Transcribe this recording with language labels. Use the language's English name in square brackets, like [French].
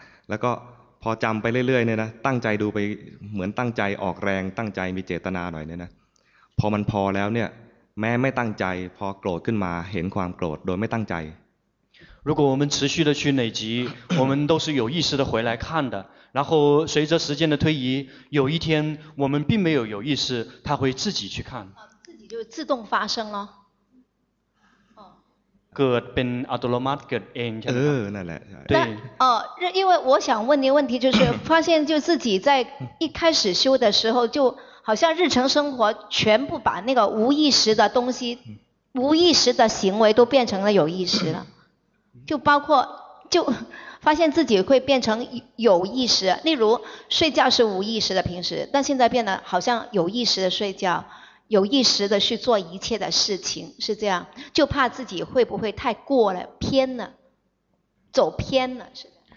[Thai] แล้วก็พอจำไปเรื่อยๆเนี่ยนะตั้งใจดูไปเหมือนตั้งใจออกแรงตั้งใจมีเจตนาหน่อยเนี่ยนะพอมันพอแล้วเนี่ยแม้ไม่ตั้งใจพอโกรธขึ้นมาเห็นความโกรธโดยไม่ตั้งใจ [Chinese] 如果我们持续的去累积我们都是有意识的回来看的然后随着时间的推移有一天我们并没有有意识他会自己去看自己就自动发生了 [Thai] เกิดเป็นอัตโนมัติเกิดเองใช่ไหม นั่นแหละ ใ ช่ [Chinese] 因为我想问你问题就是发现就自己在一开始修的时候就好像日常生活全部把那个无意识的东西无意识的行为都变成了有意识了就包括就发现自己会变成有意识例如睡觉是无意识的平时但现在变得好像有意识的睡觉有意识的去做一切的事情是这样就怕自己会不会太过了偏了走偏了是的